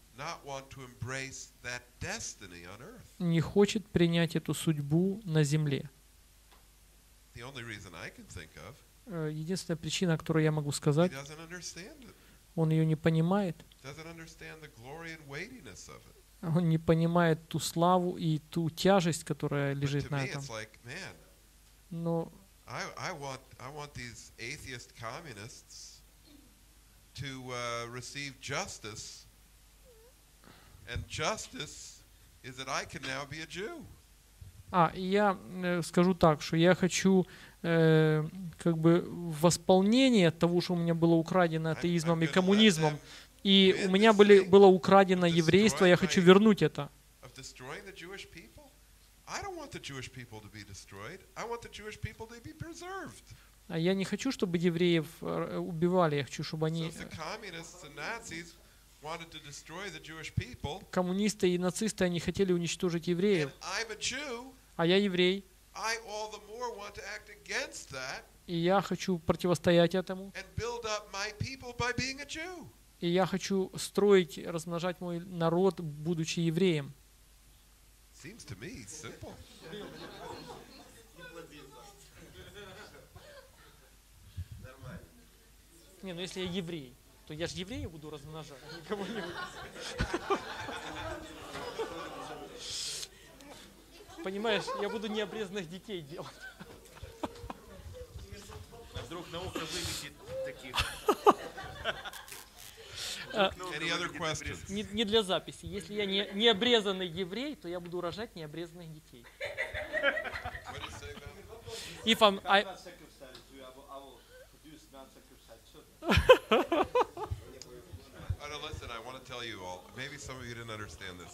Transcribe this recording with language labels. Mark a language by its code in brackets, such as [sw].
[en] not want to embrace that destiny on earth. [ru] Не хочет принять эту судьбу на земле. [en] The only reason I can think of, [ru] единственная причина, о которой я могу сказать, [en] he doesn't understand it. [ru] Он ее не понимает. [en] Doesn't understand the glory and weightiness of it. [ru] Он не понимает ту славу и ту тяжесть, которая лежит на этом. [en] It's like, man, [ru] но [en] I want these atheist communists to receive justice. And justice is that I can now be a Jew. [ru] А, я скажу так, что я хочу как бы восполнение того, что у меня было украдено атеизмом и коммунизмом, и у меня было украдено еврейство, я хочу вернуть это. [en] Of destroying the Jewish people? I don't want the Jewish people to be destroyed. I want the Jewish people to be preserved. [ru] А я не хочу, чтобы евреев убивали, я хочу, чтобы они... [en] So if the communists and Nazis wanted to destroy the Jewish people. [ru] Коммунисты и нацисты, они хотели уничтожить евреев. [en] And I'm a Jew. [ru] А я еврей. [en] I all the more want to act against that. [ru] И я хочу противостоять этому. [en] And build up my people by being a Jew. [ru] И я хочу строить, размножать мой народ, будучи евреем. [en] Seems to me simple. [ru] Не, ну если я еврей, то я же еврея буду размножать, никого не буду. Понимаешь, я буду необрезанных детей делать. А вдруг наука вылетит таких. [en] Any other questions? [ru] Не для записи. Если я не обрезанный еврей, то я буду рожать необрезанных детей. [en] If I'm... Listen, I want to tell you all, maybe some of you didn't understand this.